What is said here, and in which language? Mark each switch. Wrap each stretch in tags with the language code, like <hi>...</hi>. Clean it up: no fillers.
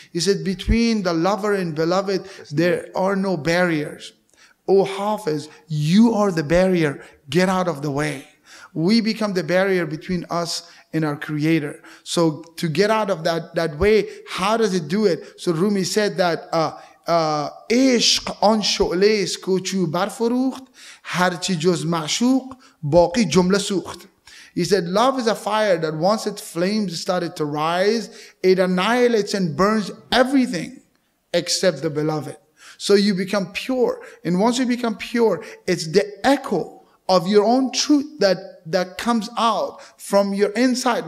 <en>He said, between the lover and beloved, there are no barriers. Oh Hafiz, you are the barrier. Get out of the way. We become the barrier between us and our creator. So to get out of that way, how does it do it? So Rumi said that</en> <fa>عشق آن شعله است که چو برفروخت هر چی جز معشوق باقی جمله سوخت.</fa> <en>He said, love is a fire that once its flames started to rise, it annihilates and burns everything except the beloved. So you become pure. And once you become pure, it's the echo of your own truth that comes out from your inside.</en>